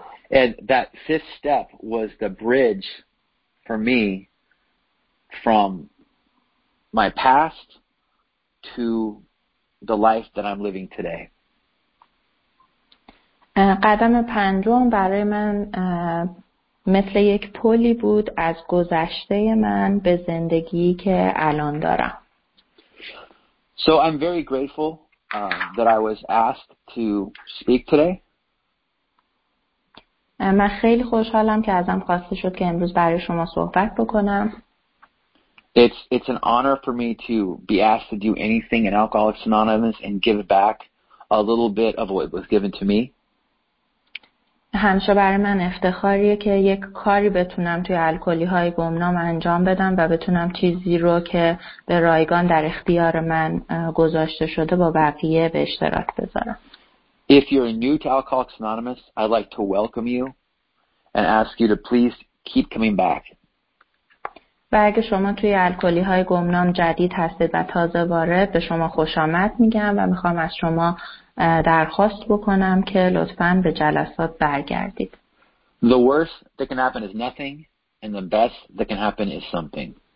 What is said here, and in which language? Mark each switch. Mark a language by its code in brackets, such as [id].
[en] And that fifth step was the bridge for me from my past to the life that I'm living today. [fa] قدم پنجم برای من مثل یک پلی بود از گذشته من به زندگی که الان دارم. [en] So I'm very grateful that I was asked to speak today. [fa] من خیلی خوشحالم که ازم خواسته شد که امروز برای شما صحبت بکنم. [en] It's an honor for me to be asked to do anything in Alcoholics Anonymous and give back a little bit of what was given to me. [fa] همیشه برای من افتخاریه که یک کاری بتونم توی الکلی‌های گمنام انجام بدم و بتونم چیزی رو که به رایگان در اختیار من گذاشته شده با بقیه به اشتراک بذارم. [en] If you're new to Alcoholics Anonymous, I'd like to welcome you and ask you to please keep coming back. [fa] و اگه شما توی الکلی‌های گمنام جدید هستید و تازه وارد، به شما خوش آمد میگم و میخوام از شما درخواست بکنم که لطفاً به جلسات برگردید. [en] The worst that can happen is nothing and the best that can happen is something.